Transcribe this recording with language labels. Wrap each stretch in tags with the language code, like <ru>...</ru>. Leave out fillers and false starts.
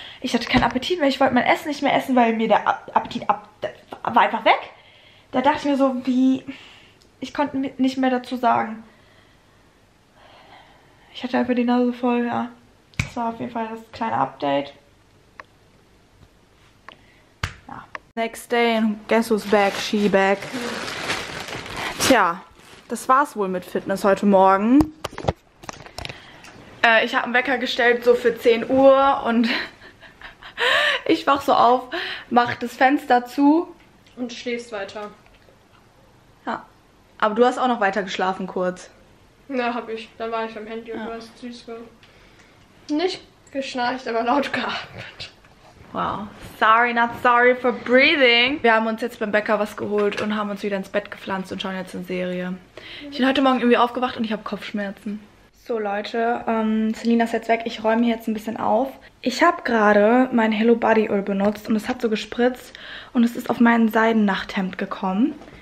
<de>Ich hatte keinen Appetit mehr, ich wollte mein Essen nicht mehr essen, weil mir der Appetit war einfach weg. Da dachte ich mir so, wie, ich konnte nicht mehr dazu sagen. Ich hatte einfach die Nase voll, ja. Das war auf jeden Fall das kleine Update. Ja.</de> <en>Next day and guess who's back, she back.</en> <de>Tja, das war's wohl mit Fitness heute Morgen. Ich habe einen Wecker gestellt so für 10 Uhr und ich wach so auf, mach das Fenster zu. Und schläfst weiter. Ja, aber du hast auch noch weiter geschlafen kurz. Ja, hab ich. Dann war ich am Handy und war süß geworden. Nicht geschnarcht, aber laut geatmet. Wow.</de> <en>Sorry, not sorry for breathing.</en> <de>Wir haben uns jetzt beim Bäcker was geholt und haben uns wieder ins Bett gepflanzt und schauen jetzt eine Serie. Ich bin heute Morgen irgendwie aufgewacht und ich habe Kopfschmerzen. So Leute, Selina ist jetzt weg. Ich räume hier jetzt ein bisschen auf. Ich habe gerade mein Hello Body Öl benutzt und es hat so gespritzt und es ist auf meinen Seidennachthemd gekommen.</de>